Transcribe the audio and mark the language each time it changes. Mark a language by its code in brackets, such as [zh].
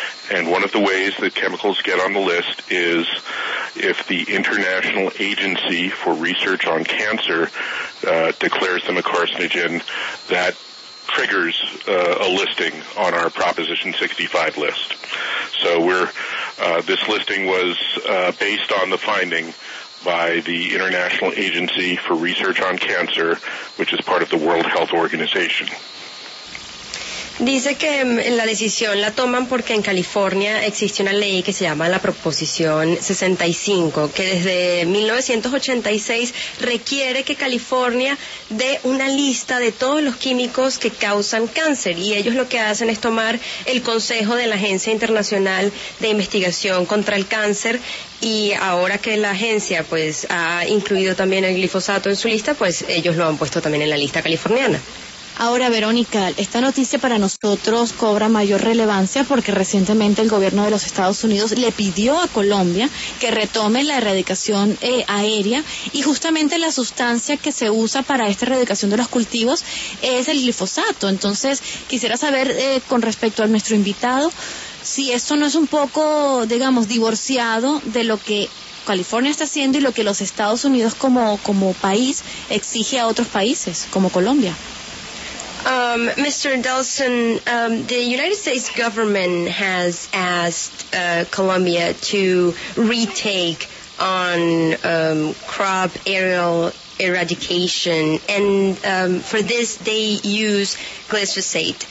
[en] And one of the ways that chemicals get on the list is if the International Agency for Research on Cancer declares them a carcinogen, that triggers a listing on our Proposition 65 list. So we're this listing was based on the finding by the International Agency for Research on Cancer, which is part of the World Health Organization. [es] Dice que la decisión la toman porque en California existe una ley que se llama la Proposición 65, que desde 1986 requiere que California dé una lista de todos los químicos que causan cáncer, y ellos lo que hacen es tomar el consejo de la Agencia Internacional de Investigación contra el Cáncer, y ahora que la agencia pues ha incluido también el glifosato en su lista, pues ellos lo han puesto también en la lista californiana. Ahora, Verónica, esta noticia para nosotros cobra mayor relevancia porque recientemente el gobierno de los Estados Unidos le pidió a Colombia que retome la erradicación aérea, y justamente la sustancia que se usa para esta erradicación de los cultivos es el glifosato. Entonces, quisiera saber con respecto a nuestro invitado si esto no es un poco, digamos, divorciado de lo que California está haciendo y lo que los Estados Unidos como país exige a otros países, como Colombia. [en] Mr. Delson, the United States government has asked Colombia to retake on crop aerial eradication, and for this they use glyphosate.